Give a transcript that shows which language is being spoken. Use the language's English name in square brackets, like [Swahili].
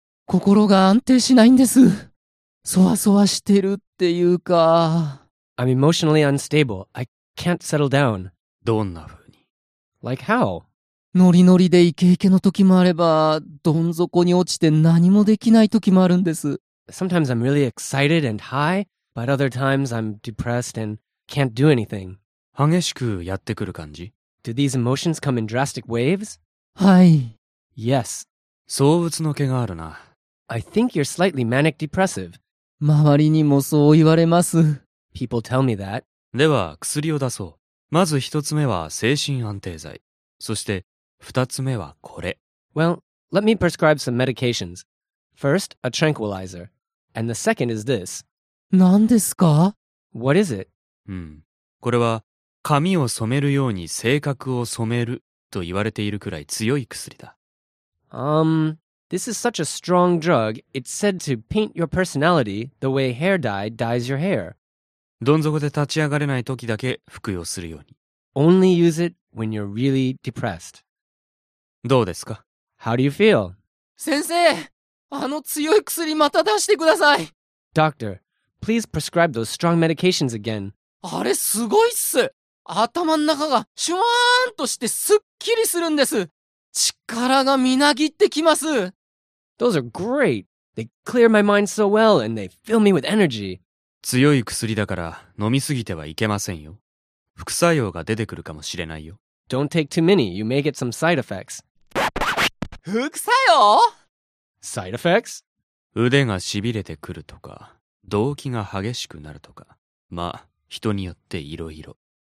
[Japanese] 心が安定しないんです。そわそわしてるっていうか。 [English] I'm emotionally unstable. I can't settle down. [Japanese] どんな風に？ [English] Like how? [Japanese] ノリノリでイケイケの時もあれば、どん底に落ちて何もできない時もあるんです。 [English] Sometimes I'm really excited and high, but other times I'm depressed andcan't do anything. [Japanese] 激しくやってくる感じ? [English] Do these emotions come in drastic waves? [Japanese] はい。 [English] Yes. [Japanese] 躁鬱の気があるな。 [English] I think you're slightly manic depressive. [Japanese] 周りにもそう言われます。 [English] People tell me that. [Japanese] では薬を出そう。まず一つ目は精神安定剤。そして二つ目はこれ。 [English] Well, let me prescribe some medications. First, a tranquilizer. And the second is this. [Japanese] 何ですか? [English] What is it? [Japanese] これは髪を染めるように性格を染めると言われているくらい強い薬だ。 [English] This is such a strong drug. It's said to paint your personality the way hair dye dyes your hair. [Japanese] どん底で立ち上がれない時だけ服用するように。 [English] Only use it when you're really depressed. [Japanese] どうですか? [English] How do you feel? [Japanese] 先生、あの強い薬また出してください。 [English] Doctor, please prescribe those strong medications again. [Japanese] あれすごいっす。頭ん中がシュワーンとしてすっきりするんです。力がみなぎってきます。 [English] Those are great. They clear my mind so well and they fill me with energy. [Japanese] 強い薬だから飲みすぎてはいけませんよ。副作用が出てくるかもしれないよ。 [English] Don't take too many. You may get some side effects. [Japanese] 副作用? [English] Side effects? [Japanese] 腕がしびれてくるとか、動悸が激しくなるとか、まあ人によっていろいろ。